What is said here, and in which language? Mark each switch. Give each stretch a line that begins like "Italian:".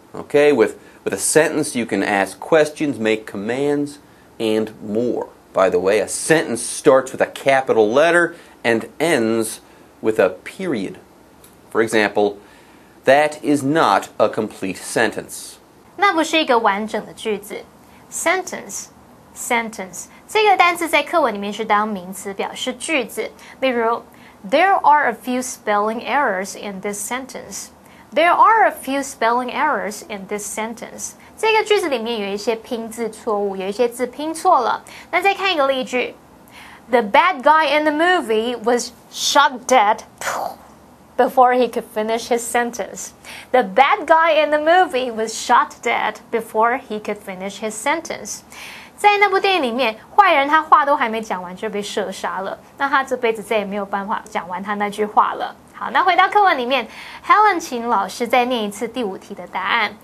English: Okay, with a sentence you can ask questions, make commands, and more. By the way, a sentence starts with a capital letter and ends with a period. For example, that is not a complete sentence.
Chinese: 那不是一个完整的句子。
English: Sentence, sentence.
Chinese: 这个单词在课文里面是当名词表示句子。例如
English: ,There are a few spelling errors in this sentence. There are a few spelling errors in this sentence.
Chinese: 这个句子里面有一些拼字错误，有一些字拼错了。那再看一个例句。
English: The bad guy in the movie was shot dead before he could finish his sentence. The bad guy in the movie was shot dead before he could finish his sentence.
Chinese: 在那部电影里面，坏人他话都还没讲完就被射杀了，那他这辈子再也没有办法讲完他那句话了。好，那回到课文里面， Helen 请老师再念一次第五题的答案。